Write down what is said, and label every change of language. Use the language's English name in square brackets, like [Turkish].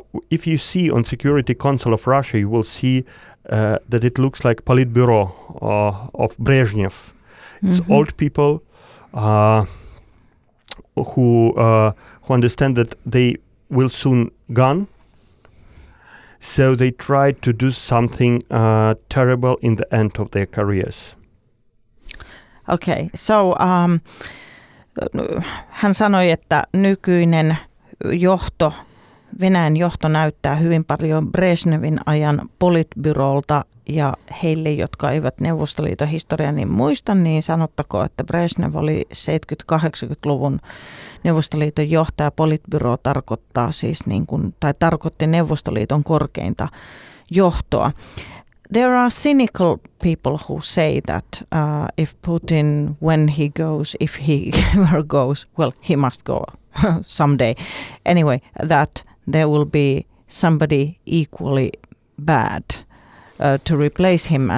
[English] If you see on Security Council of Russia, you will see that it looks like Politburo of Brezhnev. Mm-hmm. It's old people who understand that they will soon gone. So they try to do something terrible in the end of their careers. Okay, so [Finnish] hän sanoi, että nykyinen johto, Venäjän johto näyttää hyvin paljon Brezhnevin ajan politbyrolta, ja heille, jotka eivät Neuvostoliiton historiaa niin muista, niin sanottako, että Brezhnev oli 70-80-luvun Neuvostoliiton johtaja. Politbyro tarkoittaa siis niin kuin, tai tarkoitti Neuvostoliiton korkeinta johtoa. [English] There are cynical people who say that if Putin, when he goes, if he ever goes, well, he must go someday. Anyway, that there will be somebody equally bad to replace him.